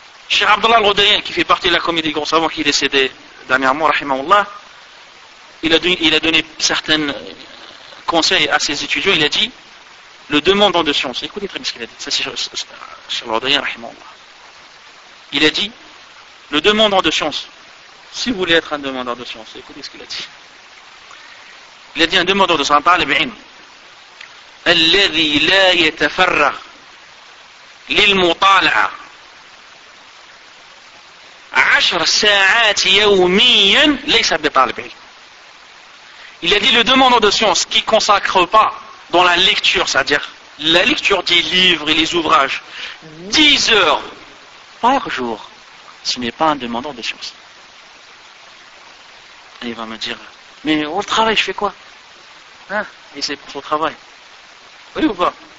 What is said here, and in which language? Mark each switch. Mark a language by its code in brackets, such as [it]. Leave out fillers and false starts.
[fr] Cheikh Abdallah al-Rodayen, qui fait partie de la comité des grands savants, qui est décédé dernièrement, rahimahullah, il a donné certains conseils à ses étudiants, il a dit, le demandant de science, écoutez très bien ce qu'il a dit, ça c'est Cheikh al-Rodayen, rahimahullah. Il a dit, le demandant de science, si vous voulez être un demandeur de science, écoutez ce qu'il a dit. Il a dit un demandeur de science, par les bains. [ar] الذي لا يتفرغ للمطالعة عشر ساعات يوميا ليس بطالب علم. [fr] Il a dit, le demandeur de science qui ne consacre pas dans la lecture, c'est-à-dire la lecture des livres et les ouvrages, 10 heures par jour, ce n'est pas un demandeur de science. Et il va me dire, mais au travail, je fais quoi? Hein? Et c'est pour son travail. Oui ou pas?